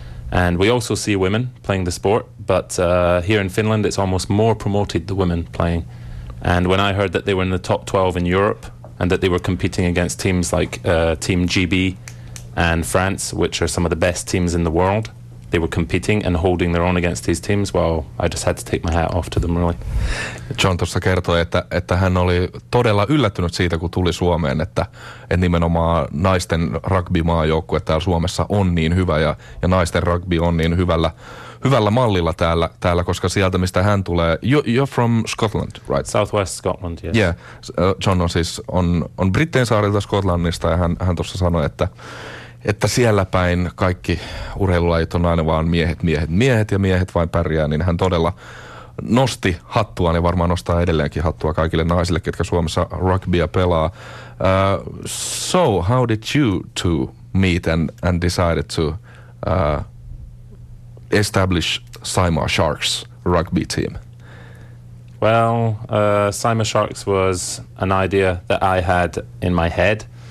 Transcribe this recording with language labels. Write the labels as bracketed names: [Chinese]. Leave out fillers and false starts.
[English] And we also see women playing the sport, but here in Finland it's almost more promoted the women playing. And when I heard that they were in the top 12 in Europe, and that they were competing against teams like Team GB and France, which are some of the best teams in the world. They were competing and holding their own against these teams. Well, I just had to take my hat off to them, really. [Finnish] John tuossa kertoi, että hän oli todella yllättynyt siitä, kun tuli Suomeen, että nimenomaan naisten rugby-maajoukkue täällä Suomessa on niin hyvä ja naisten rugby on niin hyvällä mallilla täällä, koska sieltä, mistä hän tulee. [English] You're from Scotland, right? Southwest Scotland, yes. [Finnish] Yeah, John on siis, on Brittein saarilta Skotlannista, ja hän tuossa sanoi, että siellä päin kaikki urheilulajit on aina vaan miehet, ja miehet vain pärjää, niin hän todella nosti hattua, niin varmaan nostaa edelleenkin hattua kaikille naisille, ketkä Suomessa rugbya pelaa. [English] So, how did you two meet and decided to establish Saimaa Sharks rugby team? Well, Saimaa Sharks was an idea that I had in my head.